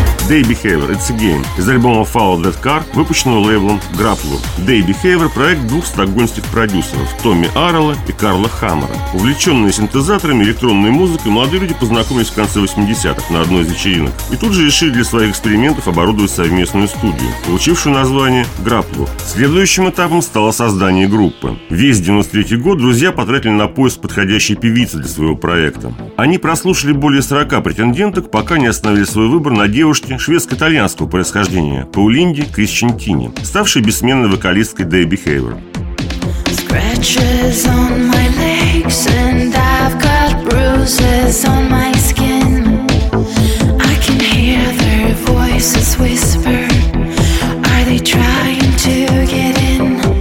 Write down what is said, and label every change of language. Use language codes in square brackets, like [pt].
[ru] «Day Behavior – It's a Game» из альбома «Follow That Car», выпущенного лейблом «Grappler». «Day Behavior» – проект двух стокгольмских продюсеров – Томми Аррелла и Карла Хаммера. Увлеченные синтезаторами и электронной музыкой, молодые люди познакомились в конце 80-х на одной из вечеринок и тут же решили для своих экспериментов оборудовать совместную студию, получившую название «Grappler». Следующим этапом стало создание группы. Весь 93-й год друзья потратили на поиск подходящей певицы для своего проекта. Они прослушали более 40 претенденток, пока не остановили свой выбор на девушке шведско-итальянского происхождения Паулинди Крисчентини, ставшей бессменной вокалисткой Day Behavior. [en] Scratches on my legs and I've got bruises on my skin. I can hear their voices whisper. Are they trying to get in?